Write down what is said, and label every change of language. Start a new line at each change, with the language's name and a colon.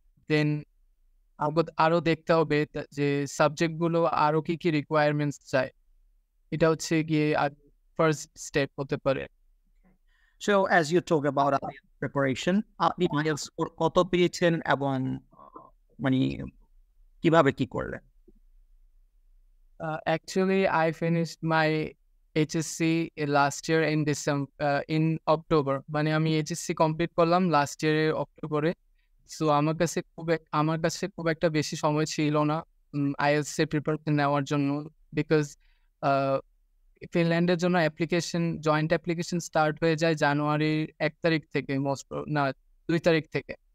Bangla: দেন আরও দেখতে হবে যে সাবজেক্টগুলো আরও কী কী রিকোয়ারমেন্টস চায়, এটা হচ্ছে গিয়ে ফার্স্ট স্টেপ হতে পারে।
English: So as you talk about IELTS preparation,
Bangla: আপনি IELTS স্কোর কত পেয়েছেন এবং মানে কিভাবে কি করলেন?
English: Actually, I finished my HSC last year in December, in October.
Bangla: মানে আমি HSC কমপ্লিট করলাম লাস্ট ইয়ারের অক্টোবরে। সো আমার কাছে খুব একটা বেশি সময় ছিল না IELTS এর প্রিপারেশন নেওয়ার জন্য, বিকজ ফিনল্যান্ডের জন্য অ্যাপ্লিকেশন জয়েন্ট অ্যাপ্লিকেশন স্টার্ট হয়ে যায় জানুয়ারির 1 তারিখ থেকে, মোস্ট না 2 তারিখ থেকে।